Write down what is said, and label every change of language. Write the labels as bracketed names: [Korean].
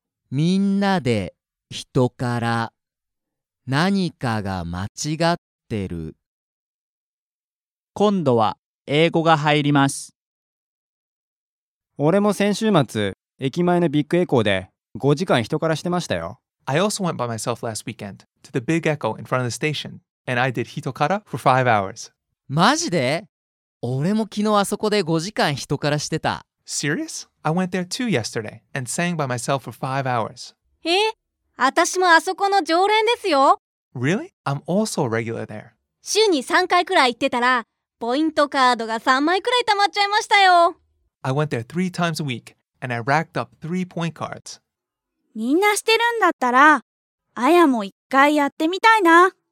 [Japanese] みんなで人から。何かが間違ってる。今度は英語が入ります。俺も先週末、駅前のビッグエコーで5時間人からしてましたよ。 [English] I also went by myself last weekend to the big echo in front of the station and I did hitokara for 5 hours. [Japanese] マジで？俺も昨日あそこで5時間人からしてた。 [English] Serious? I went there too yesterday and sang by myself for 5 hours. [Japanese] え？私もあそこの常連ですよ。 [English] Really? I'm also a regular there. [Japanese] 週に3回くらい行ってたら、ポイントカードが3枚くらい溜まっちゃいましたよ。 [English] I went there 3 times a week, and I racked up 3 point cards. [Japanese] みんなしてるんだったら、あやも一回やってみたいな。